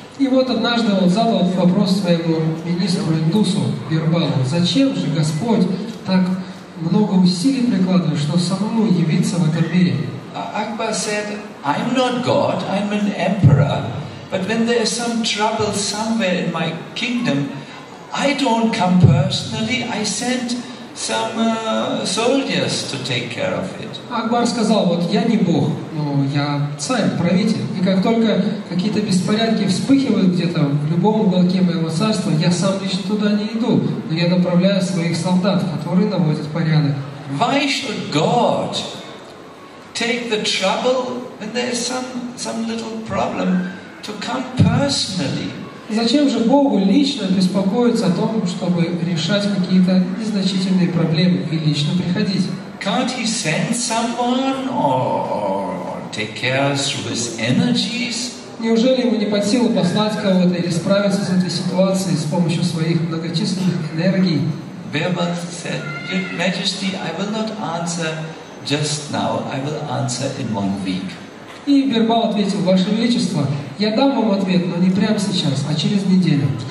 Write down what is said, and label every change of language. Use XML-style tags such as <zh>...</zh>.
<ru>И вот однажды он задал вопрос своему министру индусу Бирбалу: зачем же Господь так много усилий прикладывает, чтобы самому явиться в этом мире?</ru> <en>Akbar said, I'm not God, I'm an emperor. But when there is some trouble somewhere in my kingdom, I don't come personally, I send some soldiers to take care of it.</en> <ru>Акбар сказал: вот я не Бог, но я царь, правитель. И как только какие-то беспорядки вспыхивают где-то в любом уголке моего царства, я сам лично туда не иду, но я направляю своих солдат, которые наводят порядок.</ru> <en>Why should God take the trouble when there is some little problem to come personally?</en> <ru>Зачем же Богу лично беспокоиться о том, чтобы решать какие-то незначительные проблемы и лично приходить?</ru> <en>Can't he send someone or take care through his energies?</en> <ru>Неужели ему не под силу послать кого-то или справиться с этой ситуацией с помощью своих многочисленных энергий?</ru> <en>Birbal said, Your Majesty, I will not answer just now, I will answer in one week.</en> <ru>И Бирбал ответил: Ваше Величество, я дам вам ответ, но не прямо сейчас, а через неделю.</ru>